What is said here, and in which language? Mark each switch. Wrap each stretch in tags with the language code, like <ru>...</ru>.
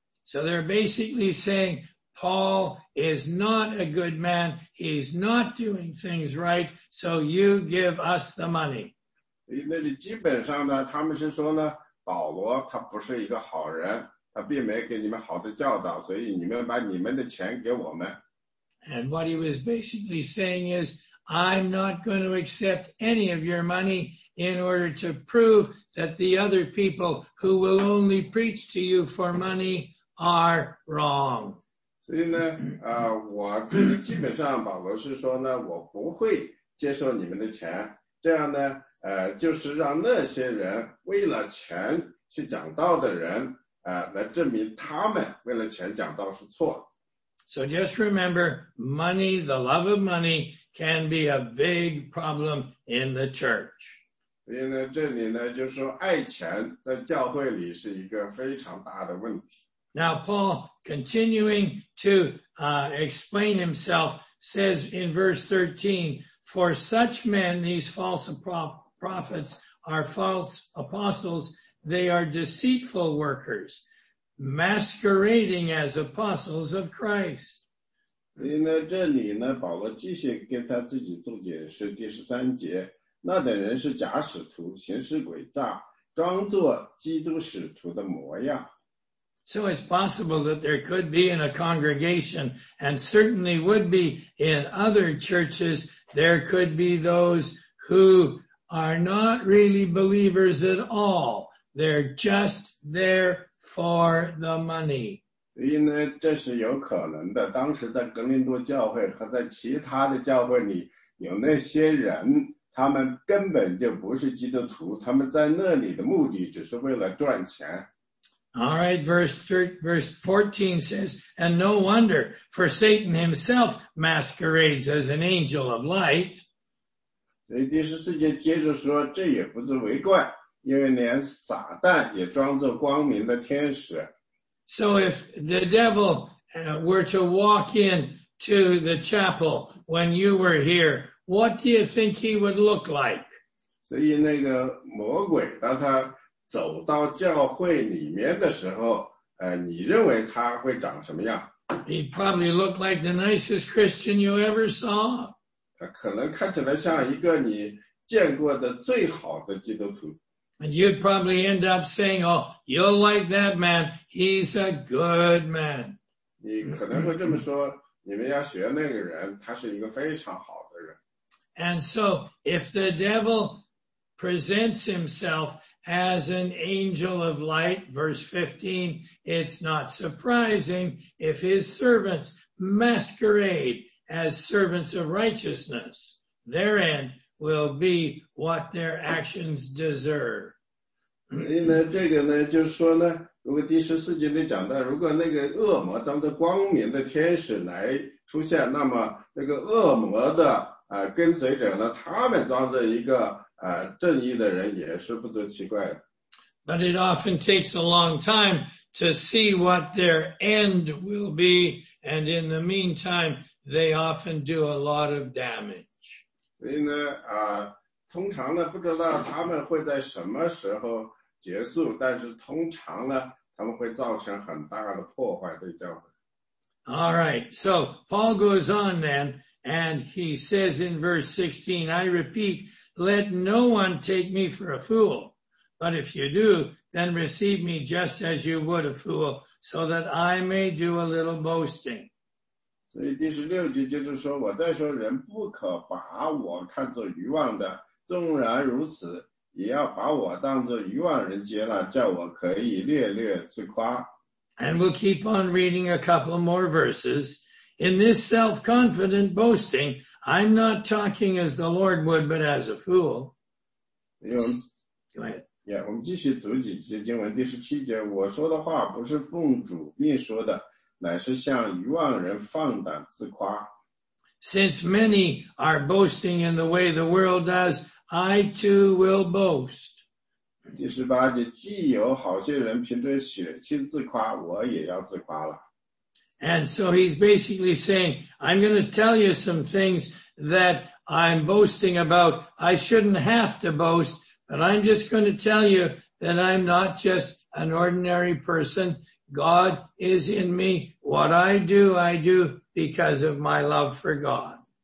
<en>So they're basically saying Paul is not a good man. He's not doing things right. So you give us the money.</en> <zh>那基本上呢，他们是说呢，保罗他不是一个好人，他并没给你们好的教导，所以你们把你们的钱给我们。</zh> <en>And what he was basically saying is, I'm not going to accept any of your money in order to prove that the other people who will only preach to you for money are wrong.</en> <zh>所以呢，我这里基本上保罗是说呢，我不会接受你们的钱，这样呢，就是让那些人为了钱去讲道的人，来证明他们为了钱讲道是错。</zh> <en>So just remember, money, the love of money, can be a big problem in the church.</en> <zh>所以呢，这里呢，就是说爱钱在教会里是一个非常大的问题。</zh> <en>Now Paul, continuing to explain himself, says in verse 13, for such men, these false prophets are false apostles, they are deceitful workers, masquerading as apostles of Christ.</en> <zh>所以呢，这里呢，保罗继续跟他自己做解释，第十三节，那等人是假使徒，行事诡诈，装作基督使徒的模样。</zh> <en>So it's possible that there could be in a congregation, and certainly would be in other churches, there could be those who are not really believers at all. They're just there for the money.</en> <zh>所以呢，这是有可能的。当时在格林多教会和在其他的教会里，有那些人，他们根本就不是基督徒，他们在那里的目的只是为了赚钱。</zh> <en>All right, verse 14 says, and no wonder, for Satan himself masquerades as an angel of light.</en> <zh>所以第十四节接着说，这也不足为怪，因为连撒旦也装作光明的天使。</zh> <en>So if the devil were to walk in to the chapel when you were here, what do you think he would look like?</en> <zh>所以那个魔鬼当他走到教会里面的时候，你认为他会长什么样？</zh> <en>He probably looked like the nicest Christian you ever saw.</en> <zh>他可能看起来像一个你见过的最好的基督徒。</zh> <en>And you'd probably end up saying, oh, you'll like that man. He's a good man.</en> <zh>你可能会这么说，你们要学那个人，他是一个非常好的人。</zh> <en>And so, if the devil presents himself as an angel of light, verse 15, it's not surprising if his servants masquerade as servants of righteousness. Their end will be what their actions deserve.</en> <zh>那这个呢，就是说呢，如果第十四节里讲到，如果那个恶魔当着光明的天使来出现，那么那个恶魔的跟随者呢，他们装着一个正义的人也是不足奇怪的。</zh> <en>But it often takes a long time to see what their end will be, and in the meantime, they often do a lot of damage.</en> <zh>所以呢，通常呢，不知道他们会在什么时候结束，但是通常呢，他们会造成很大的破坏对教会。</zh> <en>All right, so Paul goes on then, and he says in verse 16, I repeat,Let no one take me for a fool, but if you do, then receive me just as you would a fool, so that I may do a little boasting.</en> <zh>所以第十六节接着说，我再说人不可把我看作愚妄的，纵然如此，也要把我当作愚妄人接纳，叫我可以略略自夸。</zh> <en>And we'll keep on reading a couple more verses. In this self-confident boasting, I'm not talking as the Lord would, but as a fool.</en> <zh>Yeah, 我们继续读几节经文，第十七节，我说的话不是奉主命说的，乃是向愚妄人放胆自夸。</zh> <en>Since many are boasting in the way the world does, I too will boast.</en> <zh>第十八节，既有好些人凭着血气自夸，我也要自夸了。</zh> <en>And so he's basically saying, I'm going to tell you some things that I'm boasting about. I shouldn't have to boast, but I'm just going to tell you that I'm not just an ordinary person. God is in me. What I do because of my love for God.</en>